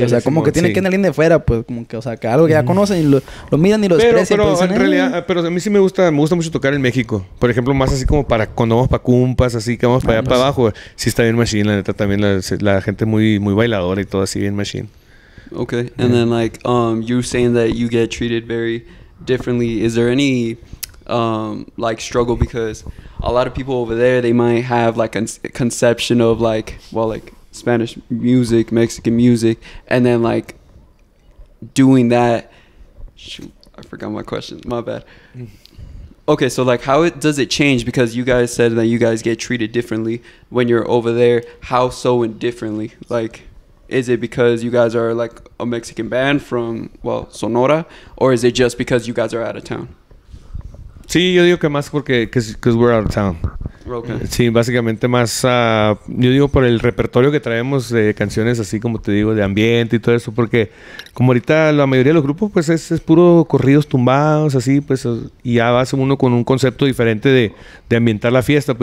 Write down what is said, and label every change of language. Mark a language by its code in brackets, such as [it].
[es] O sea, como que tiene sí. que en alguien de fuera, pues, como que, o sea, que algo que ya conocen y lo miran y lo desprecian. Pero pues, en realidad, pero a mí sí me gusta mucho tocar en México. Por ejemplo, más así como para cuando vamos para cumpas, así que vamos para allá, para abajo. Sí está bien machine, la neta, también la gente muy, muy bailadora y todo así bien machine. [en] Okay, and then like you're saying that you get treated very differently. Is there any like struggle because a lot of people over there they might have like a conception of like well like Spanish music, Mexican music, and then like doing that. Shoot, I forgot my question. My bad. Okay, so like how does it change because you guys said that you guys get treated differently when you're over there. How so and differently like. Is it because you guys are like a Mexican band from, well, Sonora? Or is it just because you guys are out of town? [es] Sí, yo digo que más porque, [en] because we're out of town. Okay. [es] Sí, básicamente más, yo digo por el repertorio que traemos de canciones así como te digo, de ambiente y todo eso. Porque como ahorita la mayoría de los grupos pues es puro corridos tumbados así, pues y ya vas uno con un concepto diferente de ambientar la fiesta.